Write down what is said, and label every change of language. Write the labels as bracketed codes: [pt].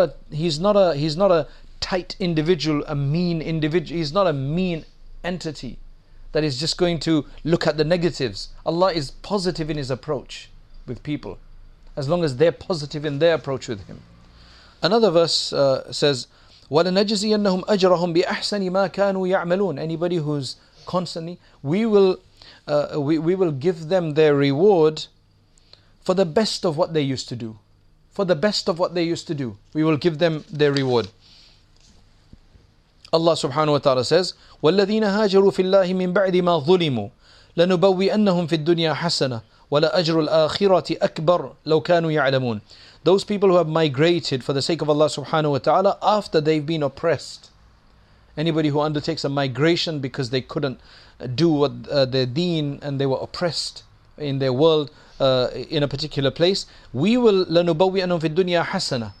[en] He's not a tight individual, a mean individual. He's not a mean entity that is just going to look at the negatives. Allah is positive in His approach with people, as long as they're positive in their approach with Him. Another verse says, [ar] وَلَنَجْزِيَنَّهُمْ أَجْرَهُمْ بِأَحْسَنِ مَا كَانُوا يَعْمَلُونَ. [en] Anybody who's constantly, we will give them their reward for the best of what they used to do. For the best of what they used to do, we will give them their reward. [ar] Allah subhanahu wa ta'ala [en] says, [ar] وَالَّذِينَ هَاجَرُوا فِي اللَّهِ مِنْ بَعْدِ مَا ظُلِمُوا لَنُبَوِّئَنَّهُمْ فِي الدُّنْيَا حَسَنَةً وَلَأَجْرُ الْآخِرَةِ أَكْبَرُ لَوْ كَانُوا يَعْلَمُونَ. [en] Those people who have migrated for the sake of Allah subhanahu wa ta'ala after they've been oppressed. Anybody who undertakes a migration because they couldn't do what their deen, and they were oppressed in their world in a particular place, we will [ar] لَنُبَوِّئَنَّهُمْ فِي الدُّنْيَا حَسَنَةً.